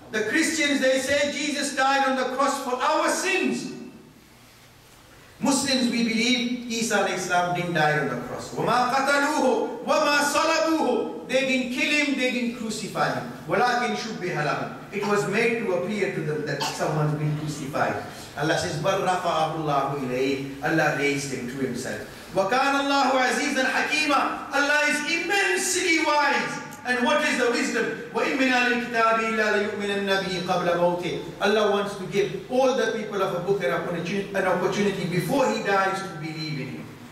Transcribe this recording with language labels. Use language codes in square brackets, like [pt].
[en] The Christians, they say, Jesus died on the cross for our sins. Muslims, we believe, Isa alayhi salam didn't die on the cross. [ar] وَمَا قَتَلُوهُ وَمَا صَلَبُوهُ. [en] They didn't kill him, they didn't crucify him. [ar] وَلَكِنْ شُبِّهَ لَهُ. [en] It was made to appear to them that someone's been crucified. Allah says, [ar] بَلْ رَفَعَهُ اللَّهُ إِلَيْهِ. [en] Allah raised him to himself. [ar] وَكَانَ اللَّهُ عَزِيزًا حَكِيمًا. [en] Allah is immensely wise. And what is the wisdom? [ar] وَإِمِّنَا لِكِتَابِ إِلَّا لَيُؤْمِنَ النَّبِيِّ قَبْلَ مَوْتِهِ. [en] Allah wants to give all the people of a book an opportunity before he dies to believe in him.